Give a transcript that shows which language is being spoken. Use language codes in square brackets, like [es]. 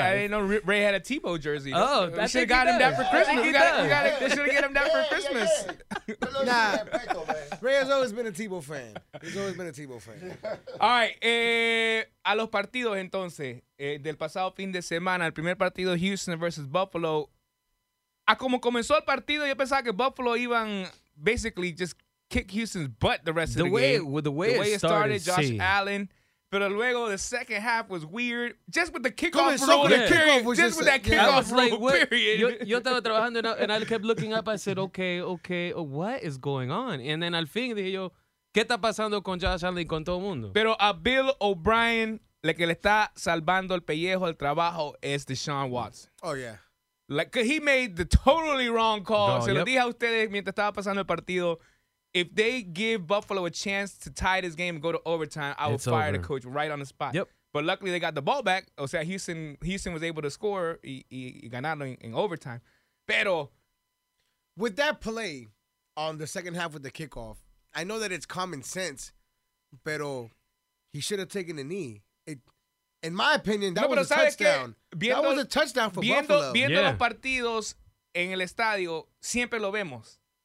[en] I didn't know Ray had a Tebow jersey. Oh, we should have got him that for Christmas. We should have got him that for Christmas. Nah, Ray has always been a Tebow fan. He's always been a Tebow fan. All right. [es] A los partidos, entonces, del pasado fin de semana, el primer partido, Houston versus Buffalo. A como comenzó el partido, yo pensaba que [en] Buffalo [es] iban [en] basically just kick Houston's butt the rest of the game. The way it started, Josh Allen. [es] Pero luego [en] the second half was weird. Just with the kickoff rule. So yeah. Just with that kickoff rule, period. [es] Yo estaba trabajando [en] and I kept looking up. I said, okay, what is going on? And then [es] al fin dije yo, ¿qué está pasando con Josh Allen y con todo el mundo? Pero a Bill O'Brien, le que le está salvando el pellejo al trabajo es Deshaun Watson. [en] Oh, yeah. Like, he made the totally wrong call. [es] No, se lo dije a ustedes mientras estaba pasando el partido. [en] If they give Buffalo a chance to tie this game and go to overtime, I would fire the coach right on the spot. Yep. But luckily, they got the ball back. [es] O sea, [en] Houston was able to score [es] y ganaron [en] in overtime. [es] Pero [en] with that play on the second half with the kickoff, I know that it's common sense, [es] pero [en] he should have taken the knee. In my opinion, that was a touchdown. That was a touchdown for Buffalo. [es] Viendo los partidos en el estadio, siempre lo vemos.